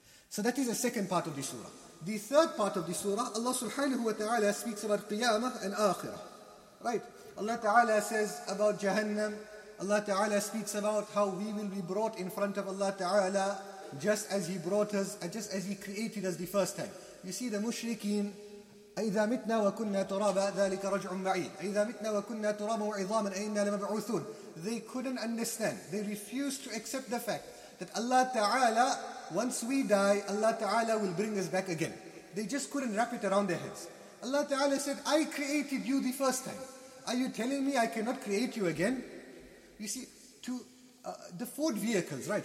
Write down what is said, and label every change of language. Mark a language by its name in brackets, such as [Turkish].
[English] So that is the second part of the surah. The third part of the surah, Allah subhanahu wa ta'ala speaks about qiyamah and akhirah. Right? Allah ta'ala says about jahannam. Allah ta'ala speaks about how we will be brought in front of Allah ta'ala, just as he brought us, just as he created us the first time. You see the mushrikeen, [Arabic] أَإِذَا مِتْنَا وَكُنَّا تُرَابًا ذَلِكَ رَجْعٌ بَعِيدٌ أَإِذَا مِتْنَا وَكُنَّا تُرَابًا وَعِظَامًا أَإِنَّا لَمَبْعُوثُونَ. [English] They couldn't understand. They refused to accept the fact that Allah Ta'ala, once we die, Allah Ta'ala will bring us back again. They just couldn't wrap it around their heads. Allah Ta'ala said, I created you the first time. Are you telling me I cannot create you again? You see, the Ford vehicles, right?